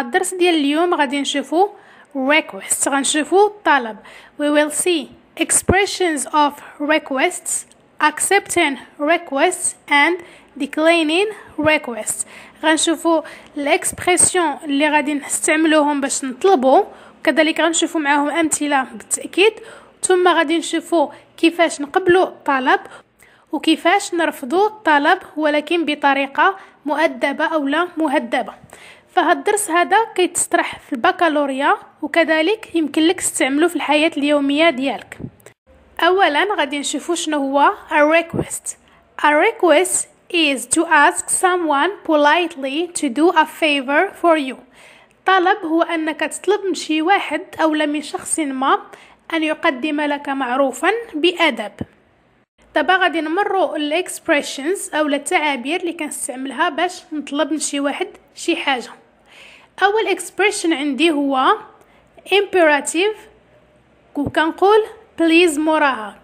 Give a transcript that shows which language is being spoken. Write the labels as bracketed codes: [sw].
[ar] الدرس ديال اليوم غادي نشوفو requests, غنشوفو طلب. [en] We will see expressions of requests, accepting requests and declining requests. [ar] غنشوفو الاكسبرسيون اللي غادي نستعملوهم باش نطلبو, كذلك غنشوفو معاهم امثله بالتاكيد, ثم غادي نشوفو كيفاش نقبلو طلب وكيفاش نرفضو طلب ولكن بطريقه مؤدبة أو لا مهدبة. فهاد الدرس هذا كيتطرح في البكالوريا وكذلك يمكن لك استعمله في الحياة اليومية ديالك. أولا غادي نشوفو شنو هو a request. [en] A request is to ask someone politely to do a favor for you. [ar] طلب هو أنك تطلب من شي واحد أو لا من شخص ما أن يقدم لك معروفا بأدب. دابا غادي نمروا الاكسبريشنز او التعابير اللي كنستعملها باش نطلب من شي واحد شي حاجه. اول اكسبريشن عندي هو امبيراتيف, وكنقول بليز موراها.